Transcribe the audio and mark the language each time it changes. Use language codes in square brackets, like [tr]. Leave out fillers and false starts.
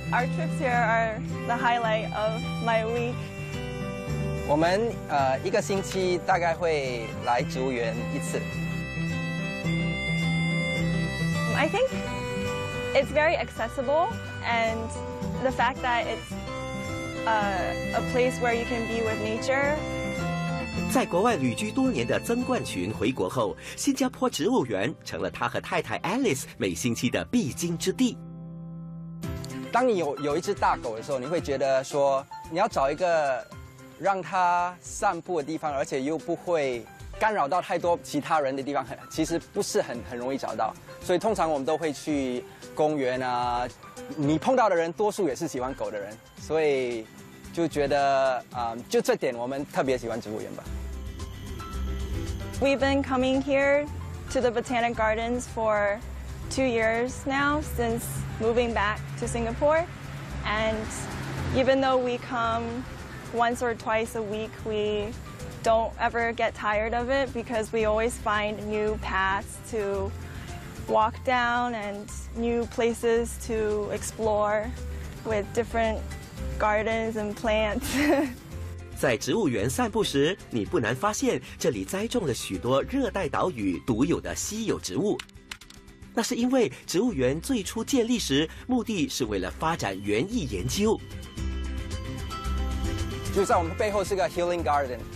[en] Our trips here are the highlight of my week. [zh] 我们一个星期大概会来竹园一次。 [en] I think it's very accessible, and the fact that it's a place where you can be with nature. [zh] 在国外旅居多年的曾冠群回国后，新加坡植物园成了他和太太 Alice 每星期的必经之地。当你有一只大狗的时候，你会觉得说你要找一个让它散步的地方，而且又不会干扰到太多其他人的地方，其实不是很容易找到。所以通常我们都会去公园你碰到的人多数也是喜欢狗的人，所以就觉得就这点我们特别喜欢植物园吧。 [en] We've been coming here to the Botanic Gardens for 2 years now since moving back to Singapore. And even though we come once or twice a week, we don't ever get tired of it because we always find new paths to walk down and new places to explore with different gardens and plants. [zh] 在植物园散步时，你不难发现这里栽种了许多热带岛屿独有的稀有植物。那是因为植物园最初建立时目的是为了发展园艺研究。就在我们背后是个 healing garden，